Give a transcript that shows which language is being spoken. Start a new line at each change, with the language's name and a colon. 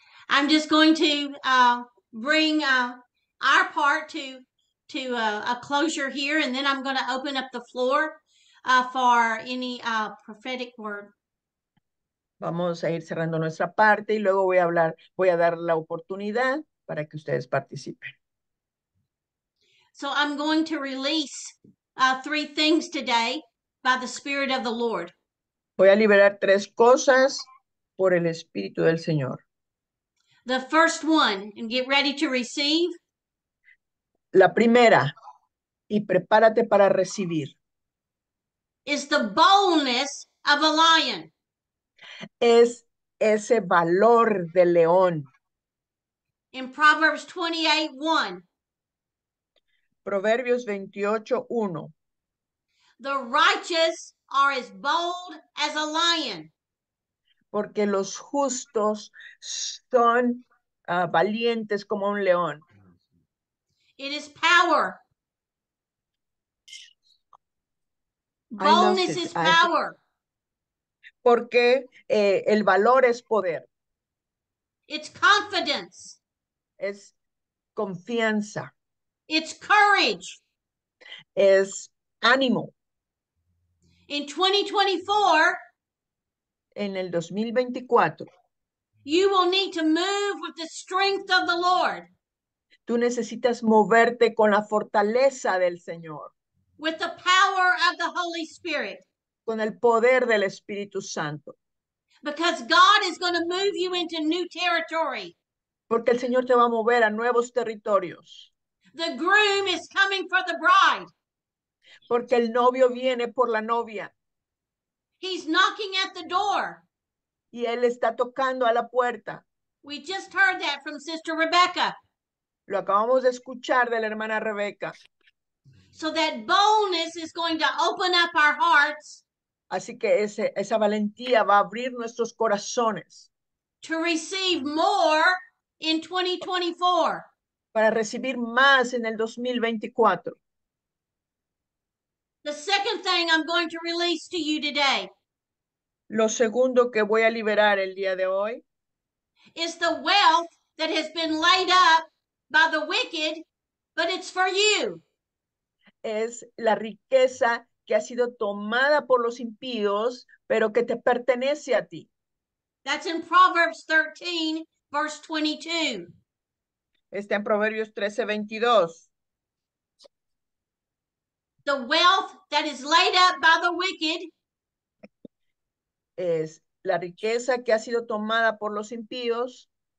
English: I'm just going to bring our part to a closure here, and then I'm going to open up the floor for any prophetic word.
Spanish: Vamos a ir cerrando nuestra parte y luego voy a dar la oportunidad para que ustedes participen.
English: So I'm going to release three things today by the Spirit of the Lord.
Spanish: Voy a liberar tres cosas por el Espíritu del Señor.
English: The first one, and get ready to receive.
Spanish: La primera, y prepárate para recibir.
English: Is the boldness of a lion.
Spanish: Es ese valor de león.
English: In Proverbs 28:1.
Spanish: Proverbios 28:1.
English: The righteous are as bold as a lion.
Spanish: Porque los justos son valientes como un león.
English: It is power. Boldness is power.
Spanish: Porque el valor es poder.
English: It's confidence.
Spanish: Es confianza.
English: It's courage.
Spanish: Es ánimo.
English: In 2024,
Spanish: en el 2024,
English: you will need to move with the strength of the Lord.
Spanish: Tú necesitas moverte con la fortaleza del Señor.
English: With the power of the Holy Spirit.
Spanish: Con el poder del Espíritu Santo.
English: Because God is going to move you into new territory.
Spanish: Porque el Señor te va a mover a nuevos territorios.
English: The groom is coming for the bride.
Spanish: Porque el novio viene por la novia.
English: He's knocking at the door.
Spanish: Y él está tocando a la puerta.
English: We just heard that from Sister Rebecca.
Spanish: Lo acabamos de escuchar de la hermana Rebeca.
English: So that boldness is going to open up our hearts.
Spanish: Así que esa valentía va a abrir nuestros corazones.
English: To receive more in 2024.
Spanish: Para recibir más en el 2024.
English: The second thing I'm going to release to you today.
Spanish: Lo segundo que voy a liberar el día de hoy.
English: Is the wealth that has been laid up by the wicked, but it's for you.
Spanish: Es la riqueza que ha sido tomada por los impíos, pero que te pertenece a ti.
English: That's in Proverbs 13, verse 22.
Spanish: Está en Proverbios 13, 22.
English: The wealth that is laid up by the wicked.
Spanish: Es la riqueza que ha sido tomada por los impíos.